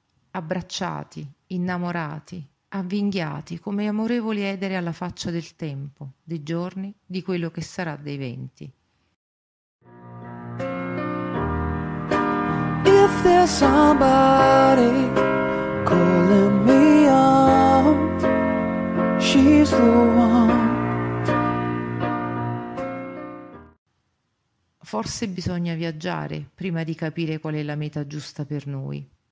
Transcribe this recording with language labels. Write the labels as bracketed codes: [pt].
[it] Abbracciati, innamorati, avvinghiati come amorevoli edere alla faccia del tempo, dei giorni, di quello che sarà dei venti. [en] If there's somebody calling me out, she's the one. [it] Forse bisogna viaggiare prima di capire qual è la meta giusta per noi.